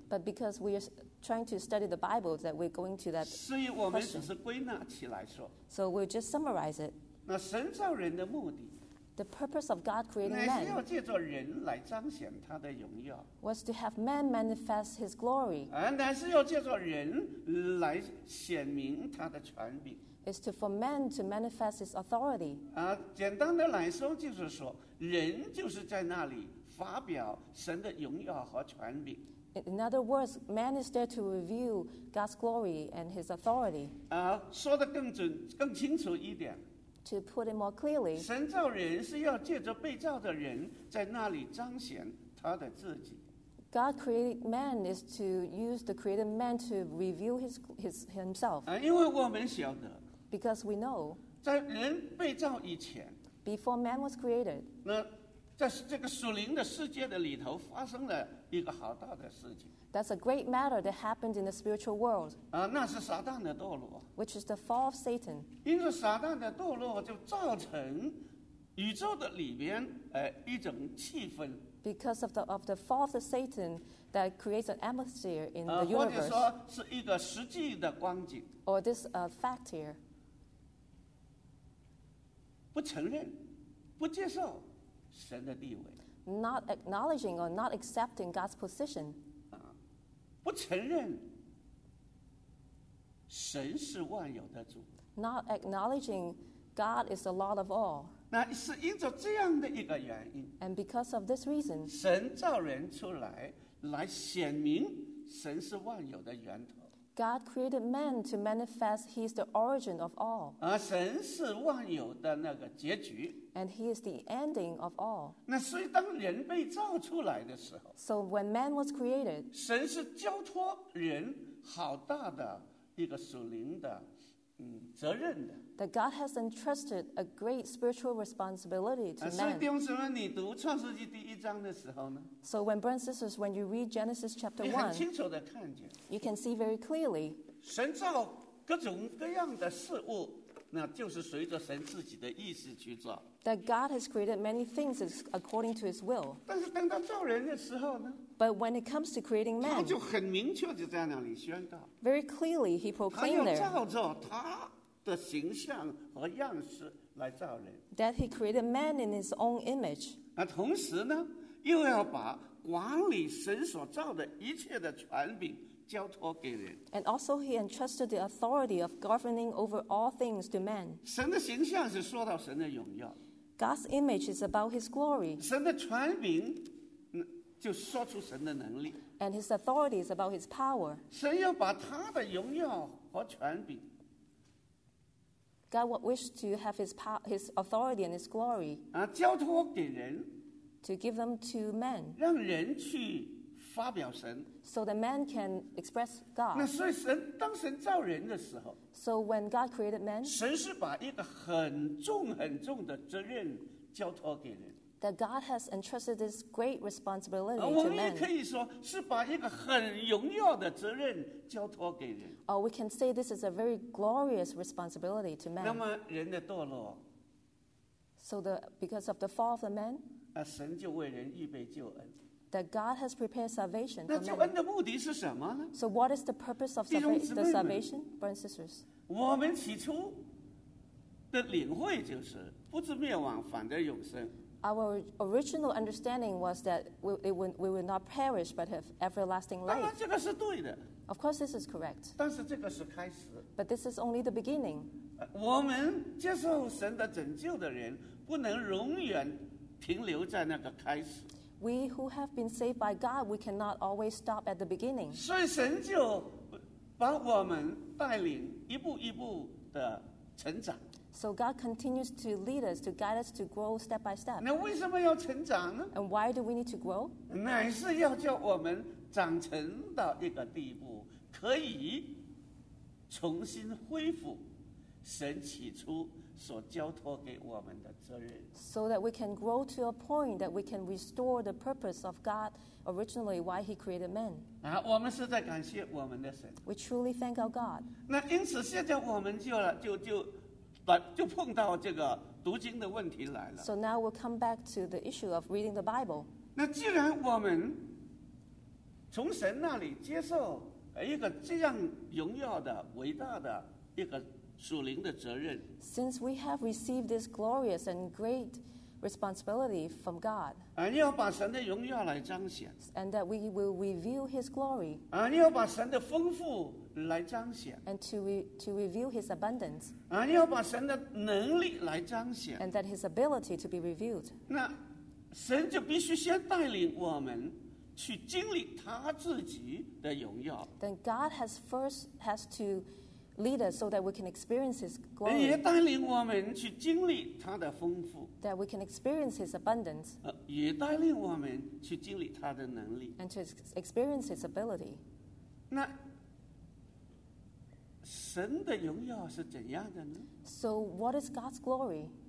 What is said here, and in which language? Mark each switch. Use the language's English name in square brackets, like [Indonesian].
[English] But because we're trying to study the Bible that we're going to that question. [Chinese] 所以我们只是归纳起来说。 [English] So we'll just summarize it. [Chinese] 那神造人的目的。 [English] The purpose of God creating man [Chinese] 乃是要借着人来彰显他的荣耀, [English] was to have man manifest his glory. [Chinese] 乃是要借着人来显明他的权柄, [English] is to for man to manifest his authority. [Chinese] 简单的来说就是说, 人就是在那里发表神的荣耀和权柄。 [English] In other words, man is there to reveal God's glory and his authority. [Chinese] 说得更准、更清楚一点。 [English] To put it more clearly, [Chinese] 神造人是要借着被造的人在那里彰显他的自己。 [English] God created man is to use the created man to reveal his himself. [Chinese] 因为我们晓得。 [English] Because we know. [Chinese] 在人被造以前。 [English] Before man was created. [Chinese] 那在这个属灵的世界的里头发生了。一个好大的事情。 [English] That's a great matter that happened in the spiritual world. [Chinese] 那是撒旦的堕落。 [English] Which is the fall of Satan. [Chinese] 因为撒旦的堕落就造成宇宙的里边一种气氛。 [English] Because of the fall of the Satan that creates an atmosphere in the universe. [Chinese] 或者说是一个实际的光景。 [English] Or this fact here. [Chinese] 不承认，不接受神的地位。 [English] Not acknowledging or not accepting God's position. [Chinese] 不承认神是万有的主。 [English] Not acknowledging God is the Lord of all. [Chinese] 那是因着这样的一个原因。 [English] And because of this reason, [Chinese] 神造人出来，来显明神是万有的源头。 [English] God created man to manifest He is the origin of all. [Chinese] 神是万有的那个结局。 [English] And he is the ending of all. [Chinese] 那所以当人被造出来的时候， [English] So when man was created, [Chinese] 神是交托人好大的一个属灵的责任的。 [English] That God has entrusted a great spiritual responsibility to man. [Chinese] 所以弟兄姊妹，你读创世纪第一章的时候呢？ [English] So when brothers and sisters, when you read Genesis chapter [Chinese] 1, 你很清楚地看见， [English] you can see very clearly, [Chinese] 神造各种各样的事物，那就是随着神自己的意思去造。 [English] That God has created many things according to His will. [Chinese] 但是等到造人的时候呢？ [English] But when it comes to creating man, [Chinese] 他就很明确地在那里宣告。 [English] Very clearly, He proclaimed there. [Chinese] 他要照着他的形象和样式来造人。 [English] That He created man in His own image. [Chinese] 那同时呢，又要把管理神所造的一切的权柄。 [English] And also he entrusted the authority of governing over all things to man. [Chinese] 神的形象是说到神的荣耀。 [English] God's image is about his glory. [Chinese] 神的权柄就说出神的能力。 [English] And his authority is about his power. [Chinese] 神要把他的荣耀和权柄。 [English] God wished to have his authority and his glory. [Chinese] 交托给人。 [English] To give them to men. [Chinese] 让人去发表神。 [English] So the man can express God. [Chinese] 那所以神当神造人的时候， [English] So when God created man, [Chinese] 神是把一个很重很重的责任交托给人。 [English] That God has entrusted this great responsibility to man. [Chinese] 我们也可以说是把一个很荣耀的责任交托给人。 [English] Or we can say this is a very glorious responsibility to man. [Chinese] 那么人的堕落， [English] So the because of the fall of the man, [Chinese] 神就为人预备救恩。 [English] That God has prepared salvation for [Chinese] men. 那救恩的目的是什么呢？ [English] So what is the purpose of the salvation, brothers and sisters? [Chinese] 我们起初的领会就是不至灭亡，反得永生。 [English] Our original understanding was that we would not perish but have everlasting life. [Chinese] 当然这个是对的。 [English] Of course this is correct. [Chinese] 但是这个是开始。 [English] But this is only the beginning. [Chinese] 我们接受神的拯救的人不能永远停留在那个开始。 [English] We who have been saved by God, we cannot always stop at the beginning. [Chinese] 所以神就把我们带领一步一步的成长。 [English] So God continues to lead us, to guide us to grow step by step. [Chinese] 那为什么要成长呢？ [English] And why do we need to grow? [Chinese] 乃是要叫我们长成到一个地步，可以重新恢复神起初所交托给我们的责任。 [English] So that we can grow to a point that we can restore the purpose of God originally why he created men. [Chinese] 我们是在感谢我们的神。 [English] We truly thank our God. [Chinese] 那因此现在我们就碰到这个读经的问题来了。 [English] So now we'll come back to the issue of reading the Bible. [Chinese] 那既然我们从神那里接受一个这样荣耀的伟大的一个属灵的责任。 [English] Since we have received this glorious and great responsibility from God, [Chinese] 要把神的荣耀来彰显。 [English] And that we will reveal His glory. [Chinese] 要把神的丰富来彰显。 [English] And to reveal His abundance. [Chinese] 要把神的能力来彰显。 [English] And that His ability to be revealed. 那 [Chinese] 神就必须先带领我们去经历他自己的荣耀。 [English] Then God has to lead us so that we can experience His glory. [Chinese] 也带领我们去经历他的丰富。 [English] That we can experience His abundance. [Chinese] 也带领我们去经历他的能力。 [English] And to experience His ability. [Chinese] 那神的荣耀是怎样的呢？ [English] So what is God's glory?